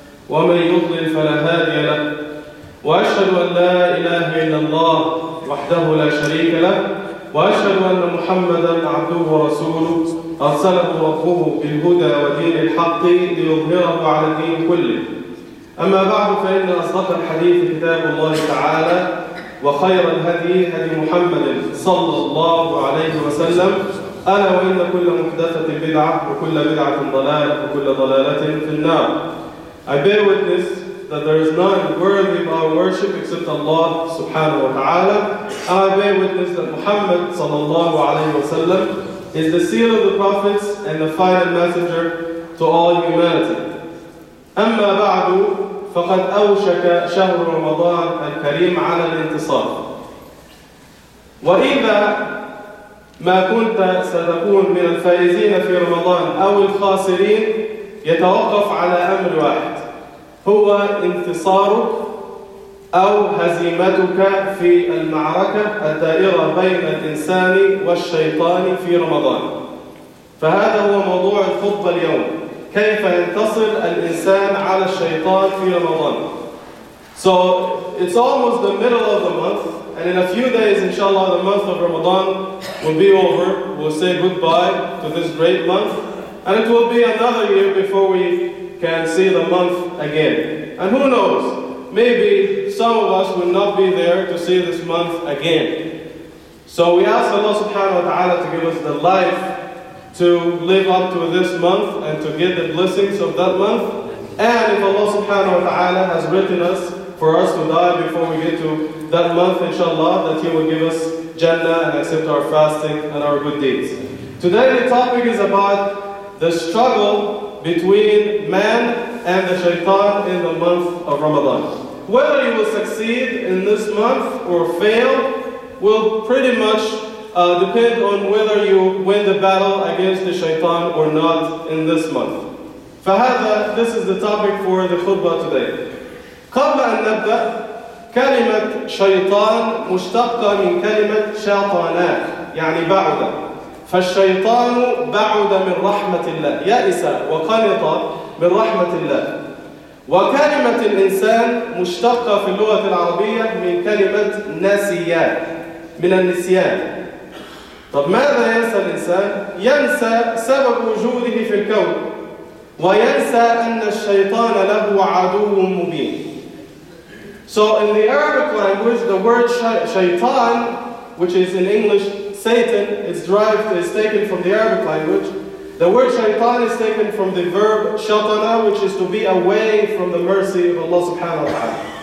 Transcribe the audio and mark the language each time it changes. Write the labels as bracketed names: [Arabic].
[Arabic] ومن يضلل فلا هادي له واشهد ان لا اله الا الله وحده لا شريك له واشهد ان محمدا عبده ورسوله ارسله ربه بالهدى ودين الحق ليظهره على الدين كله أما بعد فإن أصدق الحديث كتاب الله تعالى وخير الهدي هدي محمد صلى الله عليه وسلم ألا وإن كل محدثة بدعة وكل بدعة ضلالة وكل ضلالة في النار. [English] I bear witness that there is none worthy of our worship except Allah [Arabic] سبحانه وتعالى. [English] I bear witness that Muhammad [Arabic] صلى الله عليه وسلم [English] is the seal of the prophets and the final messenger to all humanity. [Arabic] أما بعد فقد أوشك شهر رمضان الكريم على الانتصار. وإذا ما كنت ستكون من الفائزين في رمضان أو الخاسرين يتوقف على أمر واحد، هو انتصارك أو هزيمتك في المعركة الدائرة بين الإنسان والشيطان في رمضان. فهذا هو موضوع الخطبة اليوم، كيف ينتصر الإنسان على الشيطان في رمضان. [English] So it's almost the middle of the month, and in a few days, inshallah, the month of Ramadan will be over. We'll say goodbye to this great month, and it will be another year before we can see the month again. And who knows? Maybe some of us will not be there to see this month again. So we ask Allah Subhanahu wa Taala to give us the life to live up to this month and to get the blessings of that month. And if Allah subhanahu wa ta'ala has written us for us to die before we get to that month, inshallah, that He will give us Jannah and accept our fasting and our good deeds. Today the topic is about the struggle between man and the shaitan in the month of Ramadan. Whether you will succeed in this month or fail will pretty much depend on whether you win the battle against the shaitan or not in this month. [Arabic] فهذا, [English] this is the topic for the khutbah today. [Arabic] قبل أن نبدأ, كلمة شيطان مشتقة من كلمة شاطانا يعني بعد. فالشيطان بعد من رحمة الله, يائس وقنط من رحمة الله. وكلمة الإنسان مشتقة في اللغة العربية من كلمة نسيان, من النسيان. طب ماذا ينسى الإنسان؟ ينسى سبب وجوده في الكون، وينسى أن الشيطان له عدو مبين. [English] So in the Arabic language, the word shaitan, which is in English Satan, is taken from the Arabic language. The word shaitan is taken from the verb shatana, which is to be away from the mercy of Allah subhanahu wa ta'ala.